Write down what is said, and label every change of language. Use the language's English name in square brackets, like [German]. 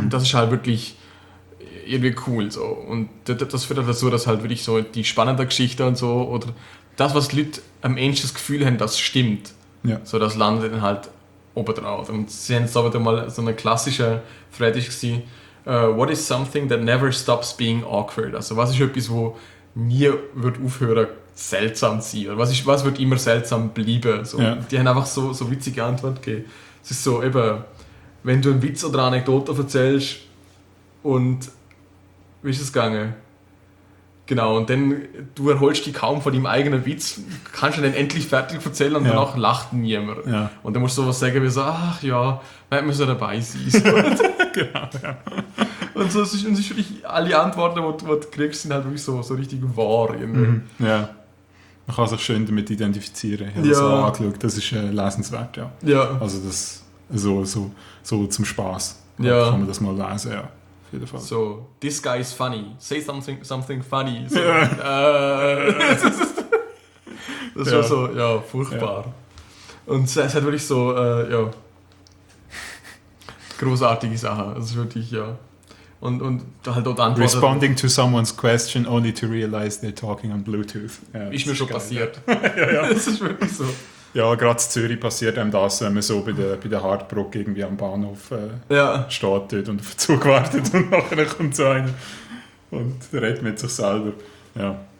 [German] Und das ist halt wirklich irgendwie cool. So. Und das führt halt dazu, dass halt wirklich so die spannende Geschichte und so, oder das, was die Leute am ehesten das Gefühl haben, das stimmt, so das landet dann halt oben drauf. Und sie haben es aber dann mal so eine klassische Thread gesehen. [English] What is something that never stops being awkward? [German] Also was ist etwas, wo nie wird aufhören, seltsam zu sein? Oder was wird immer seltsam bleiben? So, ja. Die haben einfach so witzige Antwort gegeben. Es ist so, eben, wenn du einen Witz oder eine Anekdote erzählst und wie ist es gegangen? Genau, und dann, du erholst dich kaum von deinem eigenen Witz, kannst du dann endlich fertig erzählen und danach lacht niemand. Ja. Und dann musst du sowas sagen wie so, ach ja, man muss ja dabei sein. Genau, ja. Und so, und es ist alle Antworten, die du kriegst, sind halt wirklich so richtig wahr. Ja, man kann sich schön damit identifizieren. Ich habe das auch angeschaut, das ist lesenswert, ja. Ja. Also das, so zum Spass, kann man das mal lesen, ja. [English] So, this guy is funny. Say something funny. [German] So, das war so, ja, furchtbar. Ja. Und es hat wirklich so, großartige Sachen. Das ist wirklich, ja. Und halt dort antworten. [English] Responding to someone's question only to realize they're talking on Bluetooth. [German] Ja, ist mir schon geil, passiert. Ja. Das ist wirklich so. Ja, gerade in Zürich passiert einem das, wenn man so bei der Hardbrook irgendwie am Bahnhof steht und auf den Zug wartet und nachher kommt so einer und redet mit sich selber. Ja.